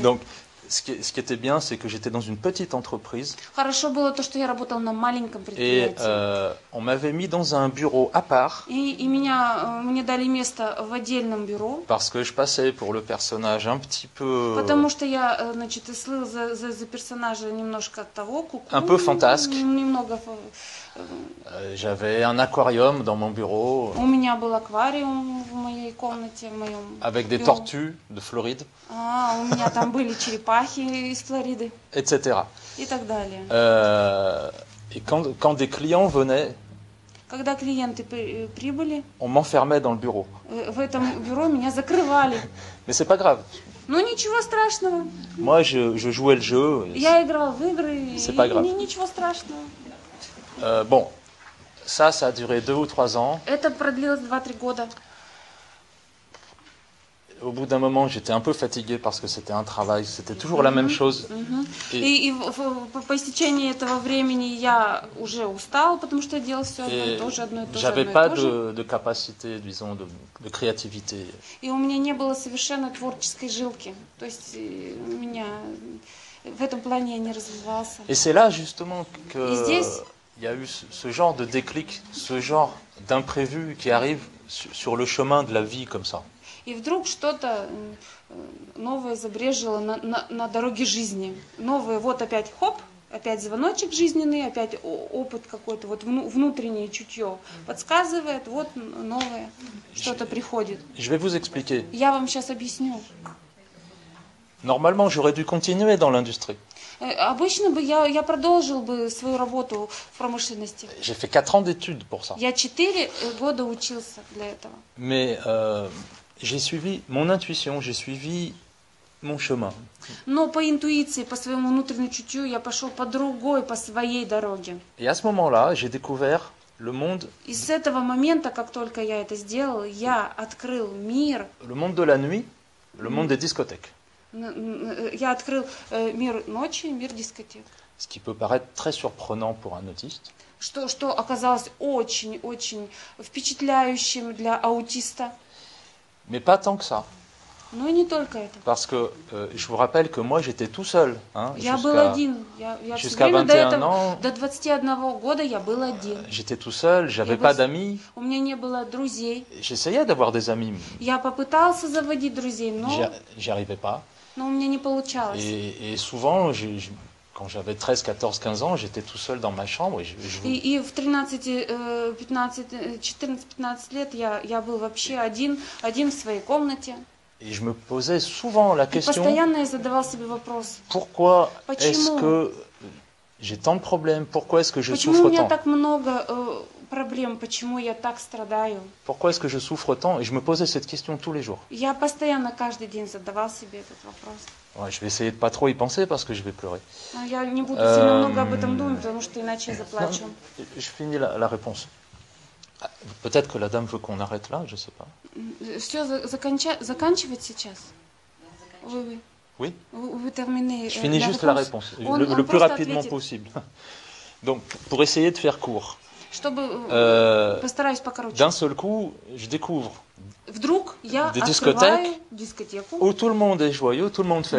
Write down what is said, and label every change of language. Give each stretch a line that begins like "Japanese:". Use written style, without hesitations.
French: Donc, ce qui était bien, c'est que j'étais dans une petite entreprise.
Russian: Хорошо было то, что я работал на маленьком предприятии.
French: Et on m'avait mis dans un bureau à part.
Russian: И меня мне дали место в отдельном бюро.
French: Parce que je passais pour le personnage un petit peu.
Russian: Потому что я, значит, слыл за персонажа немножко того, куку.
French: Un peu фантаске.
Russian: Немного.
French: J'avais un aquarium dans mon bureau.
Russian: У меня был аквариум в моей комнате, в моем.
French: Avec des tortues de Floride.
Russian: У меня там были черепахи из Флориды.
French: Etc.
Russian: И так далее.
French: Et quand des clients venaient.
Russian: Когда клиенты прибыли.
French: On m'enfermait dans le bureau.
Russian: В этом бюро меня закрывали.
French: Mais c'est pas grave.
Russian: Ну ничего страшного.
French: Moi je jouais le jeu.
Russian: Я играл в игры.
French: C'est pas grave.
Russian: Ничего страшного.
French: Bon, ça a duré deux ou trois ans.
Russian: Это продлилось 2-3 года.
French: au bout d'un moment, j'étais un peu fatigué parce que c'était un travail, c'était toujours la même chose.
Russian: И по истечении этого времени я уже устал, потому что я делал всё одно и то же, одно и то же.
French: J'avais pas de capacité, disons, de créativité.
Russian: И у меня не было совершенно творческой жилки. То есть у меня в этом плане я не развивался.
French: Et c'est là justement que il y a eu ce genre de déclic, ce genre d'imprévu qui arrive sur le chemin de la vie comme ça.
Russian: И вдруг что-то новое забрежило на дороге жизни. Новое, вот опять хоп, опять звоночек жизненный, опять опыт какой-то, вот внутреннее чутье подсказывает, вот новое, что-то приходит.
French: Je vais vous expliquer.
Russian: Я вам сейчас объясню.
French: Normalement, j'aurais dû continuer dans l'industrie.
Russian: Обычно бы я продолжил бы свою работу в промышленности.
French: J'ai fait 4 ans d'études pour ça.
Russian: Я 4 года учился для этого.
French: Mais j'ai suivi mon intuition, j'ai suivi mon chemin.
Russian: Но по интуиции, по своему внутреннему чутью я пошел по другой, по своей дороге.
French: Et à ce moment-là, j'ai découvert le monde.
Russian: И с этого момента, как только я это сделал, я открыл мир.
French: Le monde de la nuit, le monde des discothèques.
Russian: Я открыл мир ночи, мир дискотек.
French: Ce qui peut paraître très surprenant pour un autiste.
Russian: Что оказалось очень-очень впечатляющим для аутиста.
French: Mais pas tant que ça.
Russian: Ну и не только это.
French: Parce que je vous rappelle que moi j'étais tout seul,
Russian: hein, я был один. Я
French: jusqu'à 21
Russian: до этого,
French: ans.
Russian: До 21 года я был один.
French: J'étais tout seul, j'avais pas d'amis.
Russian: У меня не было друзей.
French: J'essayais d'avoir des amis.
Russian: Я попытался заводить друзей, но
French: j'arrivais pas.
Russian: Но у меня не получалось.
French: Et souvent quand j'avais 13, 14, 15 ans, j'étais tout seul dans ma chambre et je jouais.
Russian: И в 14-15 лет я был вообще один в своей комнате.
French: Et je me posais souvent la question.
Russian: Et постоянно я задавал себе вопрос.
French: Pourquoi est-ce que j'ai tant de problèmes? Pourquoi est-ce que je souffre tant?
Russian: Почему у меня так много проблем? Почему я так страдаю?
French: Pourquoi est-ce que je souffre tant? Et je me posais cette question tous les jours.
Russian: Я постоянно каждый день задавал себе этот вопрос.
French: Ouais, je vais essayer de pas trop y penser parce que je vais pleurer.
Russian: Я не буду сильно много об этом думать, потому что иначе я заплачу.
French: Je finis la réponse. Peut-être que la dame veut qu'on arrête là, je sais pas.
Russian: Все заканчивать сейчас?
French: Oui. Вы terminez. Je finis juste la réponse, le plus rapidement possible. Donc, pour essayer de faire court.
Russian: Чтобы постараюсь покороче.
French: D'un seul coup, je découvre.
Russian: Вдруг я
French: des discothèques où tout le monde est joyeux, tout le monde fait